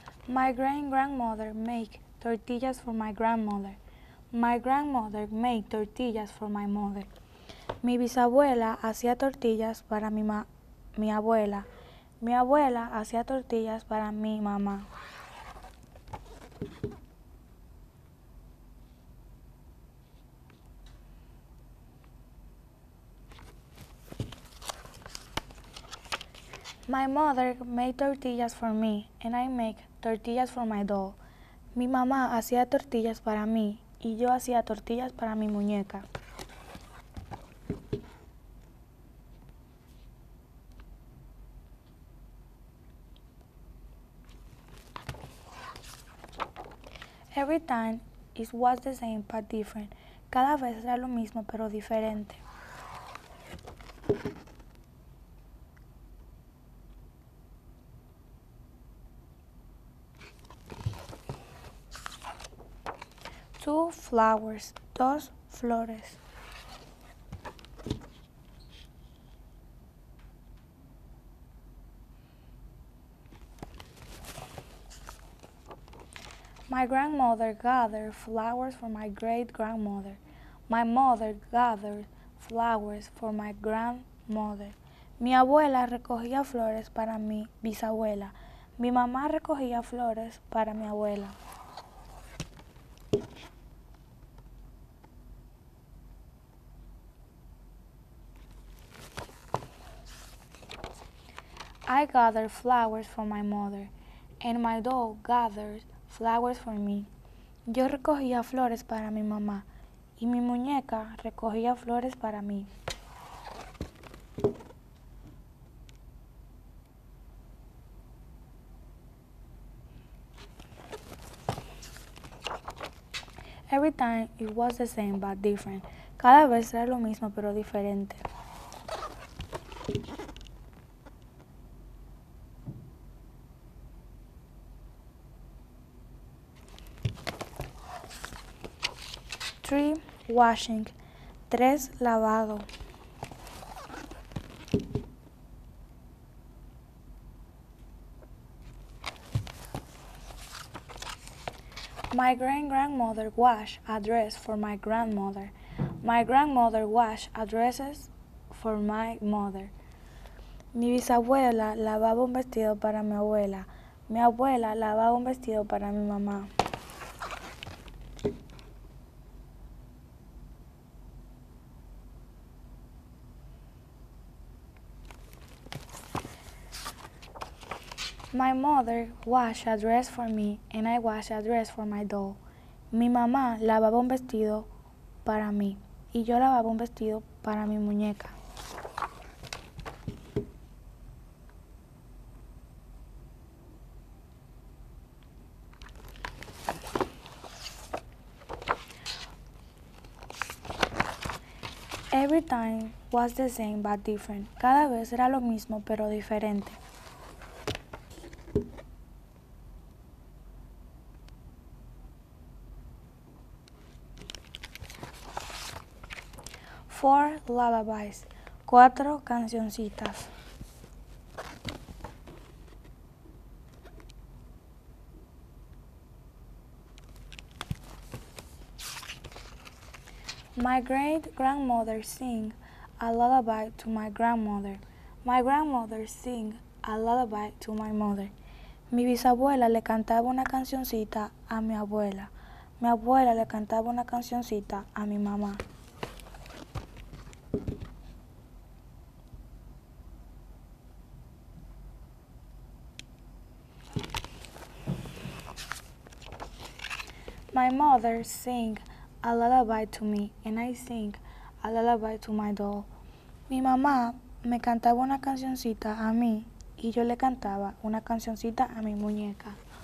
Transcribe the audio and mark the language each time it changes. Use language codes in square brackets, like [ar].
[en] My great-grandmother make tortillas for my grandmother. My grandmother make tortillas for my mother. [es] Mi bisabuela hacía tortillas para mi abuela. Mi abuela hacía tortillas para mi mamá. [en] My mother made tortillas for me, and I make tortillas for my doll. [es] Mi mamá hacía tortillas para mí, y yo hacía tortillas para mi muñeca. [en] Every time it was the same but different. [es] Cada vez era lo mismo pero diferente. [en] Two flowers, [es] dos flores. [en] My grandmother gathered flowers for my great grandmother. My mother gathered flowers for my grandmother. [es] Mi abuela recogía flores para mi bisabuela. Mi mamá recogía flores para mi abuela. [en] I gather flowers for my mother, and my doll gathers flowers for me. [es] Yo recogía flores para mi mamá, y mi muñeca recogía flores para mí. [en] Every time it was the same but different. [es] Cada vez era lo mismo pero diferente. [en] Three, washing. [es] Tres, lavado. [en] My great-grandmother washed a dress for my grandmother. My grandmother washed a dress for my mother. [es] Mi bisabuela lavaba un vestido para mi abuela. Mi abuela lavaba un vestido para mi mamá. [en] My mother washed a dress for me, and I washed a dress for my doll. [es] Mi mamá lavaba un vestido para mí, y yo lavaba un vestido para mi muñeca. [en] Every time was the same but different. [es] Cada vez era lo mismo pero diferente. [en] Four lullabies, [es] cuatro cancioncitas. [en] My great grandmother sing a lullaby to my grandmother. My grandmother sing a lullaby to my mother. [es] Mi bisabuela le cantaba una cancioncita a mi abuela. Mi abuela le cantaba una cancioncita a mi mamá. [en] My mother sing a lullaby to me, and I sing a lullaby to my doll. [es] Mi mamá me cantaba una cancioncita a mí, y yo le cantaba una cancioncita a mi muñeca.